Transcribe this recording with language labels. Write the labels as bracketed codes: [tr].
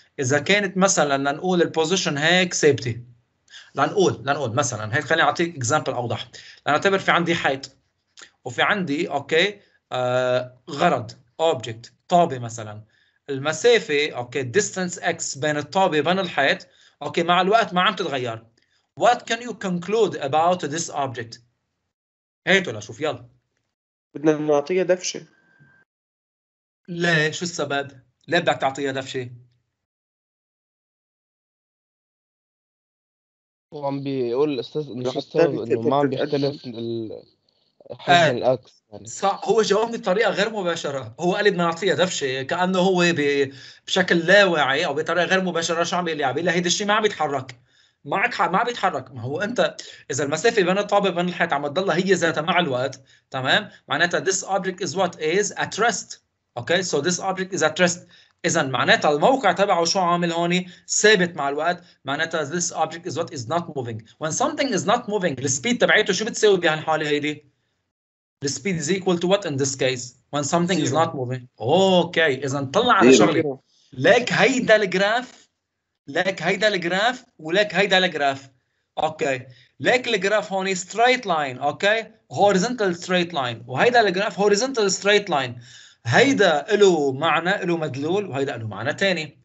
[ar] اذا كانت مثلا لنقول البوزيشن هيك ثابته، لنقول مثلا هيك، خليني اعطيك اكزامبل اوضح. لنعتبر في عندي حيط، وفي عندي اوكي غرض object طابه مثلا، المسافه اوكي distance x بين الطابه بين الحيط اوكي مع الوقت ما عم تتغير. [en] What can you conclude about this object؟ [ar] هيك ولا شوف؟ يلا بدنا نعطيها دفشة. لا، شو السبب؟ لا بدك تعطيها دفشة؟ هو عم بيقول الأستاذ إنه شو السبب إنه ما عم بيختلف حجم الأكس يعني. صح، هو جاوبني بطريقة غير مباشرة، هو قال لي بدنا نعطيها دفشة، كأنه هو بشكل لا واعي أو بطريقة غير مباشرة شو عم بيقول لي؟ عم بيقول لي هيدي الشيء ما عم بيتحرك، معك حق ما بيتحرك. ما هو انت اذا المسافه بين الطابه بين الحيط عم تضلها هي ذاتها مع الوقت، تمام، معناتها [en] this object is what is at rest. [ar] اوكي سو [en] this object is at rest، [ar] اذا معناتها الموقع تبعه شو عامل هون؟ ثابت مع الوقت، معناتها [en] this object is what is not moving. when something is not moving [ar] السبيد تبعيته شو بتساوي بهالحاله هيدي؟ [en] the speed is equal to what in this case when something is not moving. [ar] اوكي اذا طلع على شغله لك هيدا الجراف، لك هيدا الجراف ولك هيدا الجراف. اوكي لك الجراف هون ستريت لاين، اوكي هوريزونتال ستريت لاين، وهيدا الجراف هوريزونتال ستريت لاين. هيدا له معنى، له مدلول، وهيدا له معنى ثاني.